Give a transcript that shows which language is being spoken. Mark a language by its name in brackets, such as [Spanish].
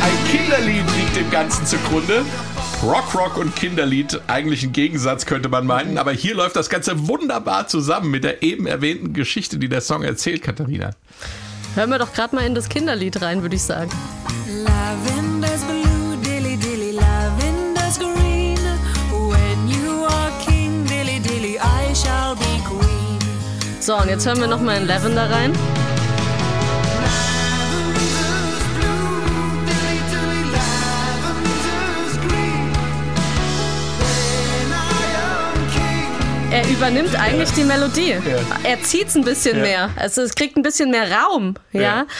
[German] Kinderlied liegt dem Ganzen zugrunde. Prog-Rock und Kinderlied, eigentlich ein Gegensatz, könnte man meinen. Aber hier läuft das Ganze wunderbar zusammen mit der eben erwähnten Geschichte, die der Song erzählt, Katharina. Hören wir doch gerade mal in das Kinderlied rein, würde ich sagen. [English] Lavender's blue, dilly dilly, lavender's green. When you are king, dilly dilly, I shall be queen. [German] So, und jetzt hören wir noch mal in Lavender rein. Er übernimmt eigentlich die Melodie. Ja. Er zieht es ein bisschen mehr. Also es kriegt ein bisschen mehr Raum. Ja.